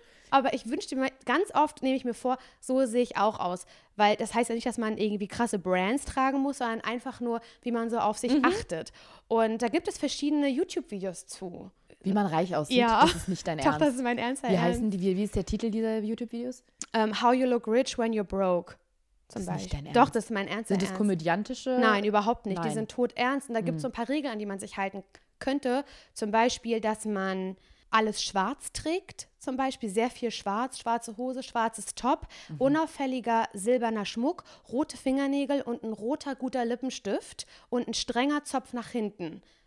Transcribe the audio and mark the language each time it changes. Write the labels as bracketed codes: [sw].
[de] Aber ich wünschte mir, ganz oft nehme ich mir vor, so sehe ich auch aus. Weil das heißt ja nicht, dass man irgendwie krasse Brands tragen muss, sondern einfach nur, wie man so auf sich achtet. Und da gibt es verschiedene YouTube-Videos zu. Wie man reich aussieht, ja. Das ist nicht dein Ernst. Doch, das ist mein Ernst. Wie heißen die, wie ist der Titel dieser YouTube-Videos? [en] How you look rich when you're broke. [de] Zum das ist nicht dein Ernst. Doch, das ist mein Ernst. Sind das komödiantische? Nein, überhaupt nicht. Nein. Die sind todernst. Und da gibt es so ein paar Regeln, an die man sich halten könnte. Zum Beispiel, dass man alles schwarz trägt, zum Beispiel sehr viel schwarz, schwarze Hose, schwarzes Top, unauffälliger silberner Schmuck, rote Fingernägel und ein roter guter Lippenstift und ein strenger Zopf nach hinten.